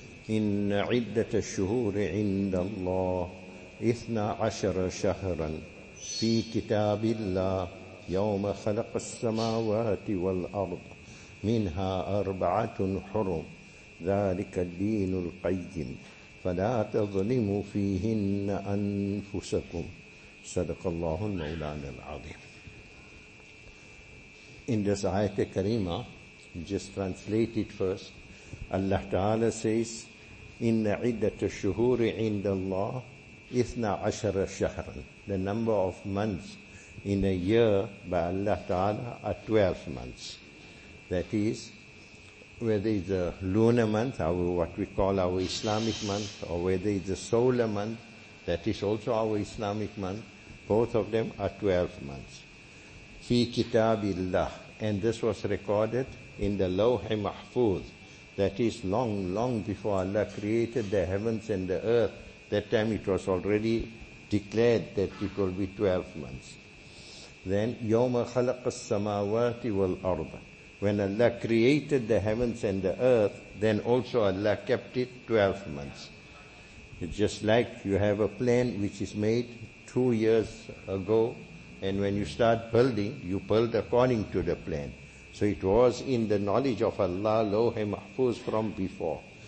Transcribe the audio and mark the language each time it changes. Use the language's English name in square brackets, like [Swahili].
[Arabic] إن عدة الشهور عند الله 12 شهرا في كتاب الله يوم خلق السماوات والأرض منها 4 حرم ذلك الدين القيم فلا تظلموا فيهن أنفسكم. صدق الله المولانا العظيم. [English] In this ayat kareema, just translated first, Allah Ta'ala says, [Arabic] إن عدة الشهور عند الله 12 شهرا. [English] The number of months in a year by Allah Ta'ala are 12 months. That is, whether it's a lunar month, our what we call our Islamic month, or whether it's a solar month, that is also our Islamic month, both of them are 12 months. Fi kitabillah. And this was recorded in the Lawh-e Mahfuz. That is long, long before Allah created the heavens and the earth. That time it was already declared that it will be 12 months. Then, [Arabic] يَوْمَ خَلَقَ السَّمَاوَاتِ وَالْأَرْضِ. [English] When Allah created the heavens and the earth, then also Allah kept it 12 months. It's just like you have a plan which is made 2 years ago, and when you start building, you build according to the plan. So it was in the knowledge of Allah, Lawh-e Mahfuz, from before.